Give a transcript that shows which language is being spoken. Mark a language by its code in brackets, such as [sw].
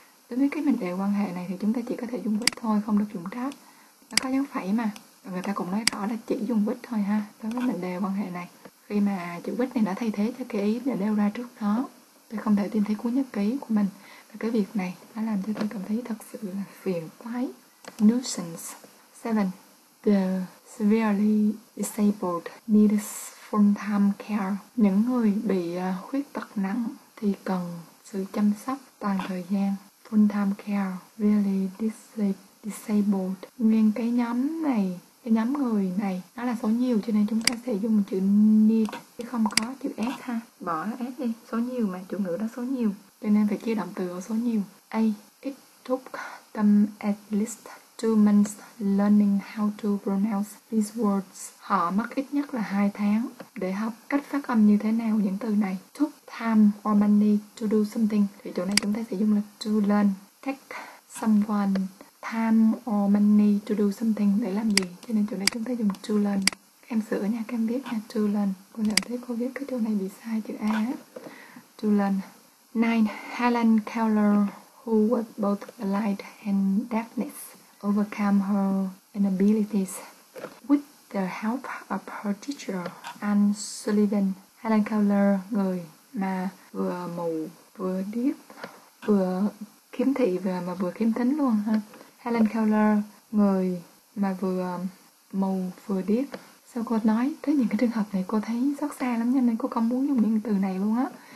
[vi] Đối với cái mệnh đề quan hệ này thì chúng ta chỉ có thể dùng which thôi, không được dùng that. Nó có dấu phẩy mà. Người ta cũng nói rõ là chỉ dùng which thôi ha. Đối với mệnh đề quan hệ này, khi mà chữ which này đã thay thế cho cái ý để đeo ra trước đó. Tôi không thể tìm thấy cuốn nhật ký của mình. Và cái việc này đã làm cho tôi cảm thấy thật sự là phiền toái. [en] Nuisance. Seven, the severely disabled need full-time care. [vi] Những người bị khuyết tật nặng thì cần sự chăm sóc toàn thời gian. [en] Full-time care. Really disabled. [vi] Nguyên cái nhóm này, cái nhóm người này, nó là số nhiều cho nên chúng ta sẽ dùng chữ need chứ không có chữ s ha. Bỏ s đi, số nhiều mà, chủ ngữ đó số nhiều, cho nên phải chia động từ ở số nhiều. [en] A, it took them at least 2 months learning how to pronounce these words. [vi] Họ mất ít nhất là 2 tháng để học cách phát âm như thế nào những từ này. [en] Took time or money to do something [vi] thì chỗ này chúng ta sẽ dùng là [en] to learn. Take someone time or money to do something, [vi] để làm gì, cho nên chỗ này chúng ta dùng to learn. Em sửa nha, em viết nha, [en] to learn. [vi] Cô nhận thấy cô viết cái chỗ này bị sai chữ A. [en] To learn. 9. Helen Keller, who was both blind and deafness, overcame her inabilities with the help of her teacher Anne Sullivan. [vi] Helen Keller, người mà vừa mù vừa điếc, vừa khiếm thị và mà vừa khiếm thính luôn ha. Helen Keller, người mà vừa mù vừa điếc. Sao cô nói tới những cái trường hợp này cô thấy xót xa lắm, nên cô không muốn dùng những từ này luôn á.